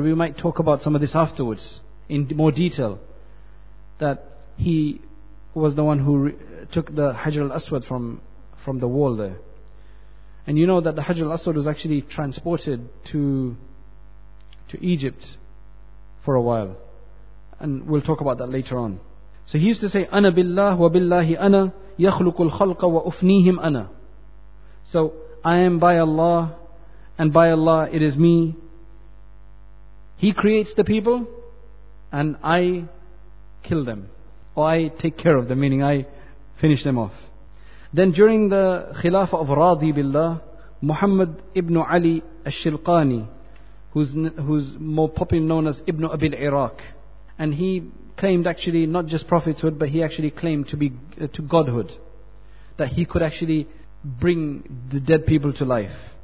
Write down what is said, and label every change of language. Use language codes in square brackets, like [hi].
[en] We might talk about some of this afterwards in more detail, that he was the one who took the Hajar al-Aswad from the wall there. And you know that the Hajar al-Aswad was actually transported to Egypt for a while. And we'll talk about that later on. So he used to say, [ar] أَنَا بِاللَّهِ وَبِاللَّهِ أَنَا يَخْلُقُ الْخَلْقَ وَأُفْنِيهِمْ أَنَا. [en] So, I am by Allah, and by Allah it is me. He creates the people, and I kill them. Or I take care of them, meaning I finish them off. Then during the Khilafah of Radi Billah, Muhammad ibn Ali al-Shilqani, who's more popularly known as Ibn Abi al-Iraq, and he claimed actually not just prophethood, but he actually claimed to be to godhood, that he could actually bring the dead people to life.